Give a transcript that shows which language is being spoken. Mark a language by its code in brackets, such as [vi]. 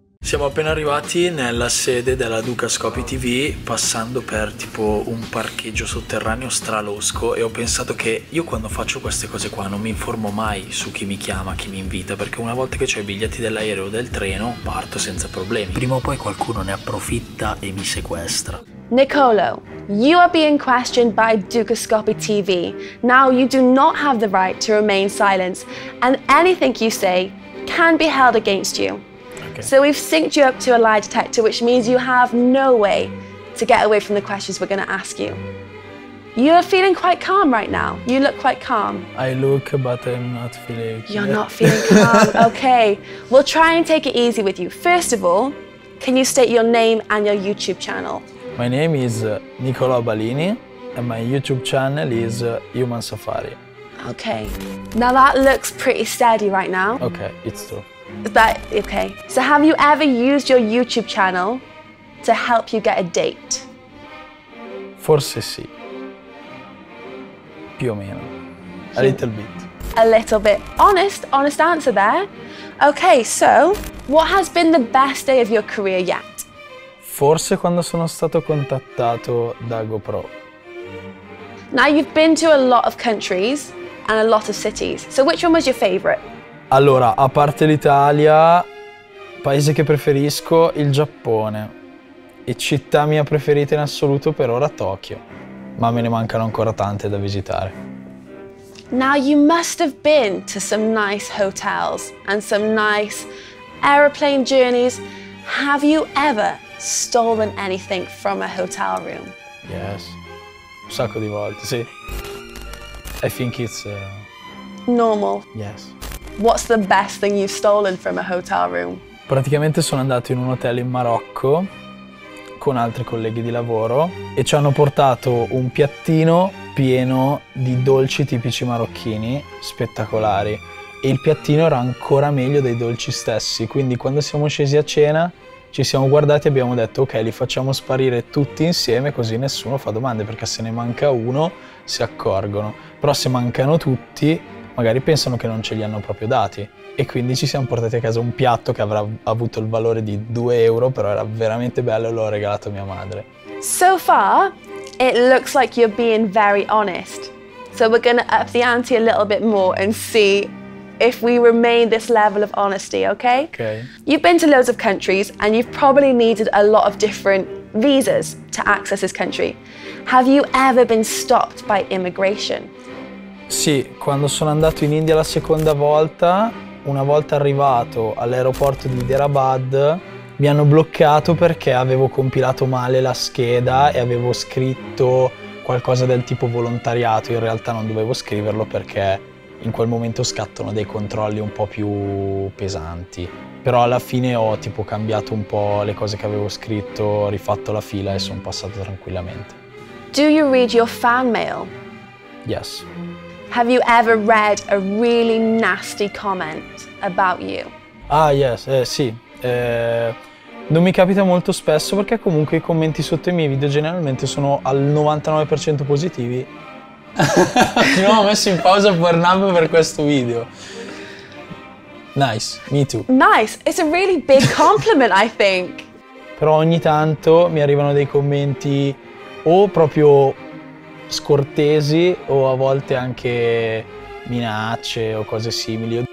[it] Siamo appena arrivati nella sede della Duca Scopi TV, passando per tipo un parcheggio sotterraneo stralosco, e ho pensato che io quando faccio queste cose qua non mi informo mai su chi mi chiama, chi mi invita, perché una volta che ho i biglietti dell'aereo o del treno parto senza problemi. Prima o poi qualcuno ne approfitta e mi sequestra. [en] Nicolo, you are being questioned by Duca Scopi TV. Now you do not have the right to remain silent and anything you say can be held against you. So we've synced you up to a lie detector, which means you have no way to get away from the questions we're going to ask you. You're feeling quite calm right now. You look quite calm. I look, but I'm not feeling calm. You're not feeling calm. Okay. We'll try and take it easy with you. First of all, can you state your name and your YouTube channel? My name is Nicolò Balini, and my YouTube channel is Human Safari. Okay. Now that looks pretty steady right now. Okay, it's true. But okay. So have you ever used your YouTube channel to help you get a date? [it] Forse sì. Più o meno. [en] A little bit. A little bit. Honest answer there. Okay, so what has been the best day of your career yet? [it] Forse quando sono stato contattato da GoPro. [en] Now you've been to a lot of countries and a lot of cities. So which one was your favorite? [it] Allora, a parte l'Italia, paese che preferisco, il Giappone. E città mia preferita in assoluto per ora Tokyo. Ma me ne mancano ancora tante da visitare. [en] Now you must have been to some nice hotels and some nice aeroplane journeys. Have you ever stolen anything from a hotel room? [it] Yes. Un sacco di volte, sì. [en] I think it's normal. Yes. What's the best thing you've stolen from a hotel room? [it] Praticamente sono andato in un hotel in Marocco con altri colleghi di lavoro e ci hanno portato un piattino pieno di dolci tipici marocchini, spettacolari. E il piattino era ancora meglio dei dolci stessi, quindi quando siamo scesi a cena ci siamo guardati e abbiamo detto ok, li facciamo sparire tutti insieme così nessuno fa domande, perché se ne manca uno si accorgono. Però se mancano tutti magari pensano che non ce li hanno proprio dati e quindi ci siamo portati a casa un piatto che avrà avuto il valore di 2 euro, però era veramente bello e l'ho regalato a mia madre. [en] So far, it looks like you're being very honest. So we're gonna up the ante a little bit more and see if we remain this level of honesty, okay? Okay. You've been to loads of countries and you've probably needed a lot of different visas to access this country. Have you ever been stopped by immigration? [it] Sì, quando sono andato in India la seconda volta, una volta arrivato all'aeroporto di Hyderabad, mi hanno bloccato perché avevo compilato male la scheda e avevo scritto qualcosa del tipo volontariato. In realtà non dovevo scriverlo perché in quel momento scattano dei controlli un po' più pesanti. Però alla fine ho tipo cambiato un po' le cose che avevo scritto, rifatto la fila e sono passato tranquillamente. [en] Do you read your fan mail? Yes. Have you ever read a really nasty comment about you? Ah, yes, sì. [it] Non mi capita molto spesso perché comunque i commenti sotto i miei video generalmente sono al 99% positivi. Ti ho messo in pausa Pornhub per questo video. [en] Nice, me too. Nice, it's a really big compliment, I think. [it] Però ogni tanto mi arrivano dei commenti o proprio scortesi o a volte anche minacce o cose simili.